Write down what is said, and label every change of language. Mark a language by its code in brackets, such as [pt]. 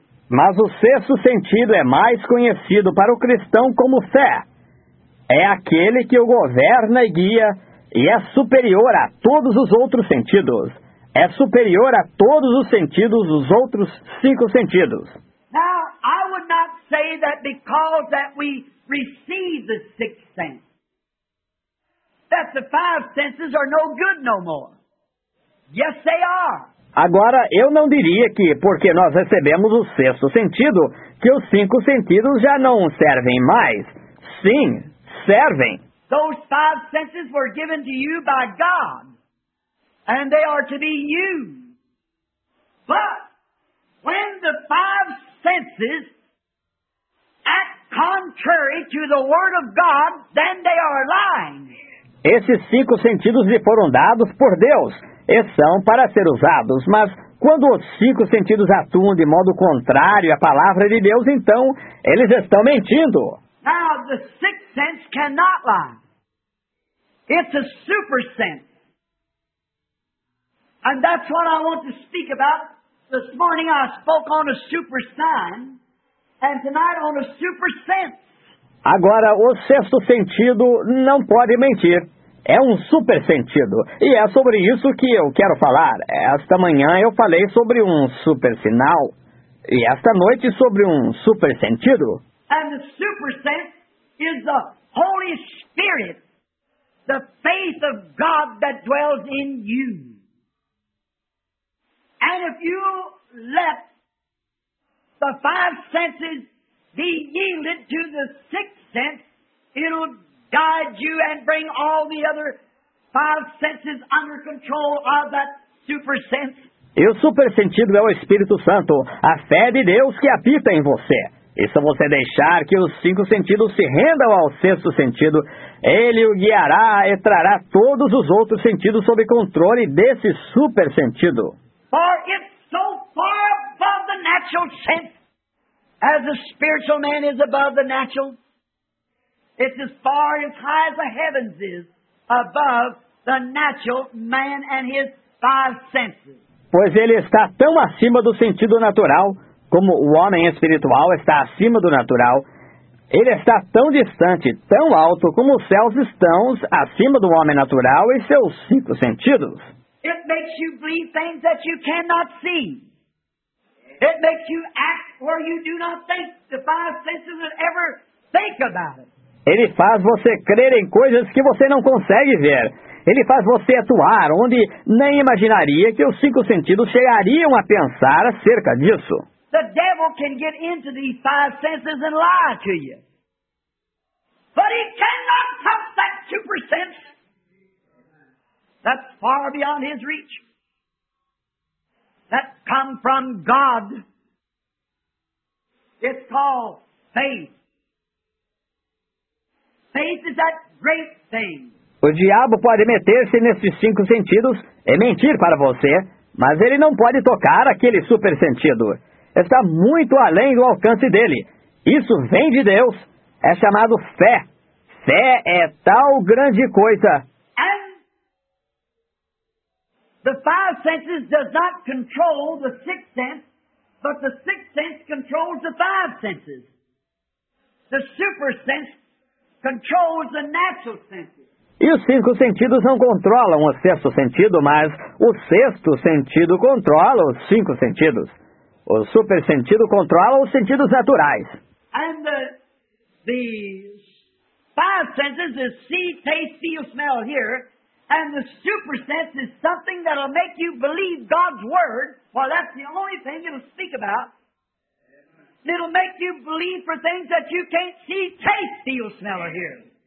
[pt] Mas o sexto sentido é mais conhecido para o cristão como fé. É aquele que o governa e guia, e é superior a todos os outros sentidos. É superior a todos os sentidos dos outros cinco sentidos. [en] Now, I would not say that because that we receive the sixth sense, that the five senses are no good no more. Yes, they are. [pt] Agora, eu não diria que, porque nós recebemos o sexto sentido, que os cinco sentidos já não servem mais. Sim, servem. [en] Those five senses were given to you by God, and they are to be used. But, when the five senses act contrary to the word of God, then they are lying. [pt] Esses cinco sentidos lhe foram dados por Deus. E são para ser usados, mas quando os cinco sentidos atuam de modo contrário à palavra de Deus, então eles estão mentindo. [en] Now, the sixth sense cannot lie. It's a super sense. And that's what I want to speak about. This morning I spoke on a super sign, and tonight on a super sense. [pt] Agora, o sexto sentido não pode mentir. É um super sentido. E é sobre isso que eu quero falar. Esta manhã eu falei sobre um super sinal. E esta noite sobre um super sentido. [en] And the super sense is the Holy Spirit, the faith of God that dwells in you. And if you let the five senses be yielded to the sixth sense, it'll guide you and bring all the other five senses under control of that super sense. [pt] E o super sentido é o Espírito Santo, a fé de Deus que habita em você. E se você deixar que os cinco sentidos se rendam ao sexto sentido, ele o guiará e trará todos os outros sentidos sob controle desse super sentido. [en] For it's so far above the natural sense, as the spiritual man is above the natural. It's as far as high as the heavens is above the natural man and his five senses. [pt] Pois ele está tão acima do sentido natural, como o homem espiritual está acima do natural. Ele está tão distante, tão alto, como os céus estão acima do homem natural e seus cinco sentidos. [en] It makes you believe things that you cannot see. It makes you act where you do not think. The five senses would ever think about it. [pt] Ele faz você crer em coisas que você não consegue ver. Ele faz você atuar onde nem imaginaria que os cinco sentidos chegariam a pensar acerca disso. [en] The devil can get into these five senses and lie to you. But he cannot touch that 2%. That's far beyond his reach. That come from God. It's called faith. Faith is that great thing. [pt] O diabo pode meter-se nesses cinco sentidos e mentir para você, mas ele não pode tocar aquele super sentido. Está muito além do alcance dele. Isso vem de Deus. É chamado fé. Fé é tal grande coisa. [en] And the five senses does not control the sixth sense, but the sixth sense controls the five senses. The super sense controls the natural senses. [pt] E os cinco sentidos não controlam o sexto sentido, mas o sexto sentido controla os cinco sentidos. O super sentido controla os sentidos naturais. [en] And the five senses is see, taste, feel, smell, hear. And the super sense is something that will make you believe God's word. Well, that's the only thing it'll speak about. It'll make you believe for things that you can't see, taste, feel, smell, or hear.